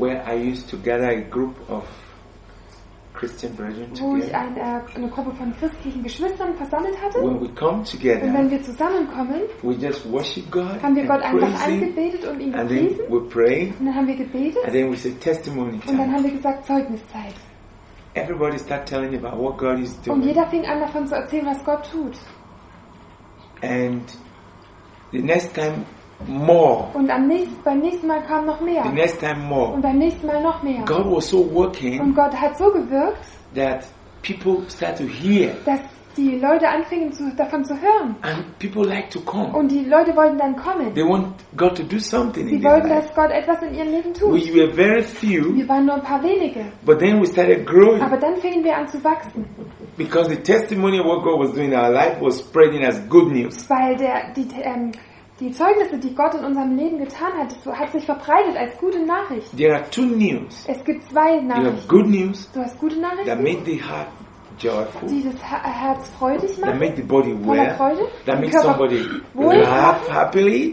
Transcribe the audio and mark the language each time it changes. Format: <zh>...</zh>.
<en>Where I used to gather a group of Christian brethren together.</en> <de>Wo ich eine Gruppe von christlichen Geschwistern versammelt hatte.</de> <en>When we come together.</en> <de>Und wenn wir zusammenkommen.</de> <en>We just worship God.</en> <de>Haben wir Gott einfach angebetet und ihn gepriesen.</de> <en>And then we pray.</en> <de>Und dann haben wir gebetet.</de> <en>And then we say testimony time.</en> <de>Und dann haben wir gesagt Zeugniszeit.</de> <en>Everybody start telling about what God is doing.</en> <de>Und jeder fing an davon zu erzählen, was Gott tut.</de> <en>And the next time more.</en> <de>Und beim nächsten Mal kam noch mehr.</de> <en>The next time more.</en> <de>Und beim nächsten Mal noch mehr.</de> <en>God was so working.</en> <de>Und Gott hat so gewirkt.</de> <en>That people start to hear.</en> <de>Dass die Leute anfingen davon zu hören.</de> <en>And people like to come.</en> <de>Und die Leute wollten dann kommen.</de> <en>They want God to do something.</en> <de>Sie wollten, dass Gott etwas in ihrem Leben tut.</de> <en>We were very few.</en> <de>Wir waren nur ein paar wenige.</de> <en>But then we started growing.</en> <de>Aber dann fingen wir an zu wachsen.</de> <en>Because the testimony of what God was doing in our life was spreading as good news.</en> <de>Weil die Zeugnisse, die Gott in unserem Leben getan hat, hat sich verbreitet als gute Nachricht.</de> <en>There are two news.</en> <de>Es gibt zwei Nachrichten.</de> <en>You have good news.</en> <de>Du hast gute Nachrichten.</de> <en>That make the heart joyful.</en> <de>Die das Herz freudig macht.</de> <en>That make the body well.</en> <de>Voller Freude.</de> <en>That make somebody laugh happily.</en>